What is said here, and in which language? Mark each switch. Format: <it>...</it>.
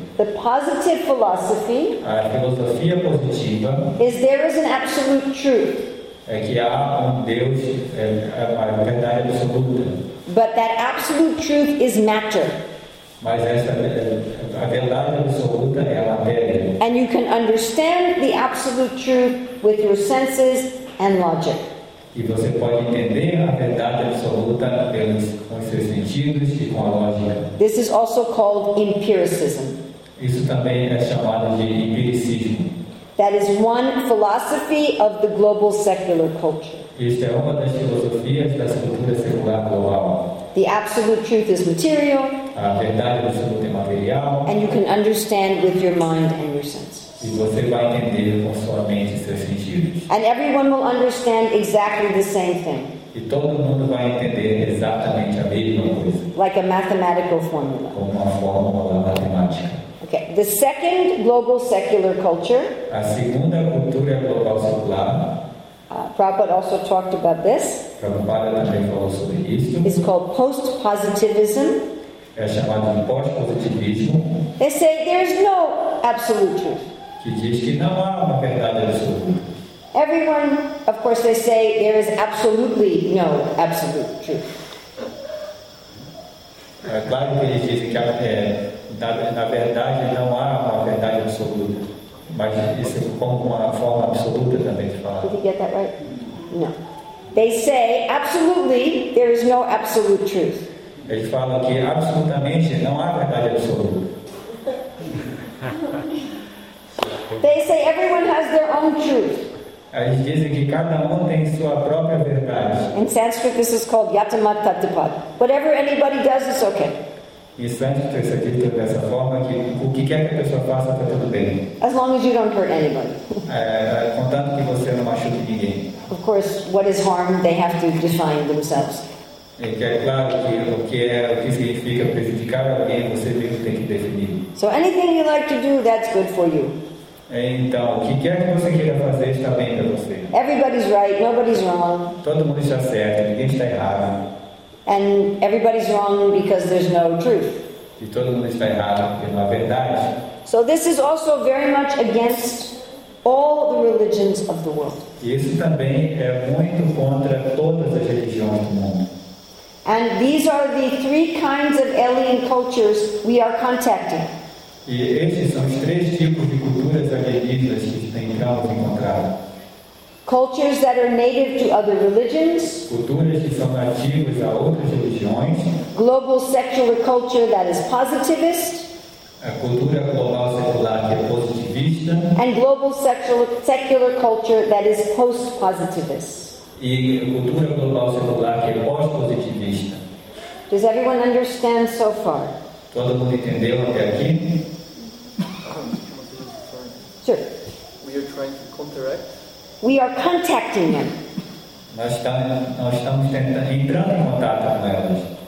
<en>The positive philosophy.</en> <pt>A filosofia positiva.</pt> <en>Is there is an absolute truth.</en> <pt>É que há Deus, é uma verdade absoluta.</pt> <en>But that absolute truth is matter.</en> <pt>Mas essa a verdade absoluta é a matéria.</pt> <en>And you can understand the absolute truth with your senses and logic.</en> <pt>E você pode entender a verdade absoluta com os seus sentidos e com a lógica.</pt> <en>This is also called empiricism.</en> <pt>Isso também é chamado de empiricismo.</pt> <en>That is one philosophy of the global secular culture.</en> <pt>Isso é uma das filosofias da cultura secular global.</pt> <en>The absolute truth is material.</en> <pt>A verdade absoluta é material.</pt> <en>And you can understand with your mind and your sense.</en> <pt>E você vai entender com sua mente e seus sentidos.</pt> <en>And everyone will understand exactly the same thing.</en> <pt>E todo mundo vai entender exatamente a mesma coisa.</pt> <en>Like a mathematical formula.</en> <pt>Como uma fórmula matemática.</pt> <en>Okay. The second global secular culture.</en> <pt>A segunda cultura global secular.</pt> <en>Prabhupada also talked about this.</en> <pt>Prabhupada também falou sobre isso.</pt> <en>It's called post-positivism.</en> <pt>É chamado de post-positivismo.</pt> <en>They say there's no absolute truth.</en> <pt>Que diz que não há uma verdade absoluta.</pt> <en>Everyone, of course, they say there is absolutely no absolute truth.</en> <pt>É claro que eles dizem que na verdade não há uma verdade absoluta. Mas isso é como uma forma absoluta também de falar.</pt> <en>Did you get that right? No. They say, absolutely, there is no absolute truth.</en> <pt>Eles falam que absolutamente não há verdade absoluta.</pt> <en>They say everyone has their own truth.</en> <pt>Eles dizem que cada tem sua própria verdade.</pt> <en>In Sanskrit, this is called yatamat tatapat. Whatever anybody does, it's okay.</en> <pt>Isso vai ter que ser dito dessa forma que o que quer que a pessoa faça está tudo bem.</pt> <en>As long as you don't hurt anybody.</en> <pt>Contanto que você não machuque ninguém.</pt> <en>Of course, what is harm? They have to define themselves.</en> <pt>É claro que o que significa prejudicar alguém, você mesmo tem que definir.</pt> <en>So anything you like to do, that's good for you.</en> <pt>Então, o que quer que você queira fazer está bem para você.</pt> <en>Everybody's right, nobody's wrong.</en> <pt>Todo mundo está certo, ninguém está errado.</pt> <en>And everybody's wrong because there's no truth.</en> <pt>E todo mundo está errado porque não há verdade.</pt> <en>So this is also very much against all the religions of the world.</en> <pt>Isso também é muito contra todas as religiões do mundo.</pt> <en>And these are the three kinds of alien cultures we are contacting.</en> <pt>E esses são os três tipos de culturas alienígenas que tentamos encontrar.</pt> <en>Cultures that are native to other religions.</en> <pt>Culturas que são nativas a outras religiões.</pt> <en>Global secular culture that is positivist.</en> <pt>A cultura global secular que é positivista.</pt> <en>And global secular culture that is post-positivist.</en> <pt>E cultura global secular que é pós-positivista.</pt> <en>Does everyone understand so far?</en> <pt>Todo mundo entendeu até aqui?</pt> <en>Sure. We are trying to counteract. We are contacting them.</en> <pt>Nós estamos tentando entrar em contato com elas.</pt>